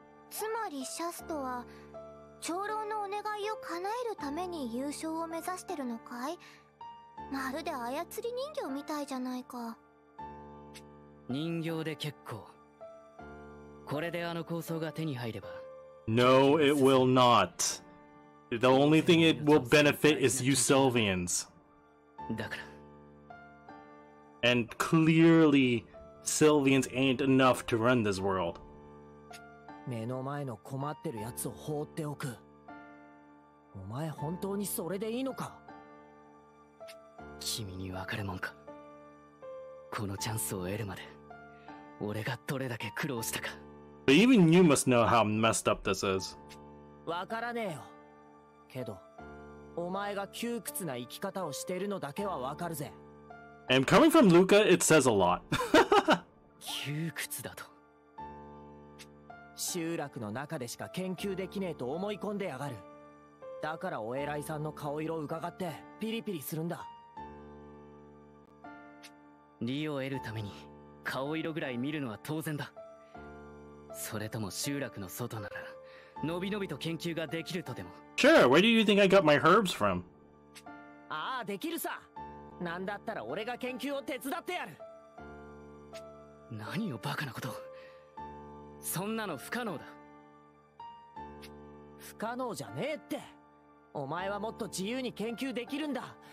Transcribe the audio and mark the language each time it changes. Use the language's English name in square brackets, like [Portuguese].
[Japanese] つまりシャストは長老のお願いを叶えるために優勝を目指してるのかい？まるで操り人形みたいじゃないか。人形で結構。これであの構想が手に入れば。 [English] No, it will not. The only thing it will benefit is you Sylvians. And clearly, Sylvians ain't enough to run this world. [Japanese] Kimi ni wakaru mon ka? Kono chansu o eru made, 俺がどれだけ苦労したか。 [English] Even you must know how messed up this is. [Japanese] わからねえよ。けど、お前が窮屈な生き方をしてるのだけはわかるぜ。 [English] And coming from Luca, it says a lot. [Japanese] 窮屈だと。集落の中でしか研究できねえと思い込んでやがる。だからお偉いさんの顔色を伺ってピリピリするんだ。利を得るために顔色ぐらい見るのは当然だ。それとも集落の外ならのびのびと研究ができるとでも。 [English] Sure, where do you think I got my herbs from? [Japanese] ああ、できるさ。なんだったら俺が研究を手伝ってやる。何をバカなこと。そんなの不可能だ。不可能じゃねえって。お前はもっと自由に研究できるんだ。